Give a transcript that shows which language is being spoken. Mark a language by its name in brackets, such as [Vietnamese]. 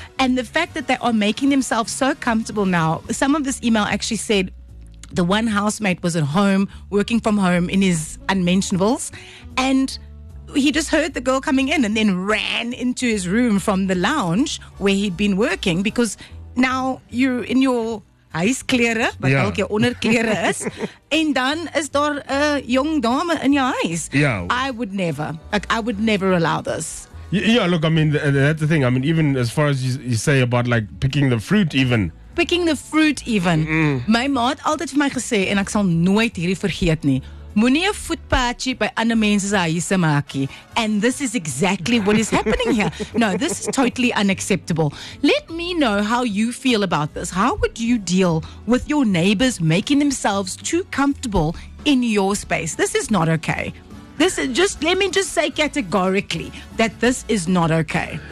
[English] And the fact that they are making themselves so comfortable now, some of this email actually said the one housemate was at home, working from home in his unmentionables, and he just heard the girl coming in and then ran into his room from the lounge where he'd been working, because now you're in your huisklere, [Afrikaans] wat elke onderklere is, en dan is daar 'n jong dame in jou huis. [English] Yeah. I would never allow this. Yeah, look, I mean, that's the thing. I mean, even as far as you say about, like, picking the fruit even. [Afrikaans] My ma het altyd vir my gesê, en ek sal nooit hierdie vergeet nie, moenie 'n voetpadjie by ander mense se huise maak nie. [English] And this is exactly what is happening here. No, this is totally unacceptable. Let me know how you feel about this. How would you deal with your neighbors making themselves too comfortable in your space? This is not okay. Let me just say categorically that this is not okay.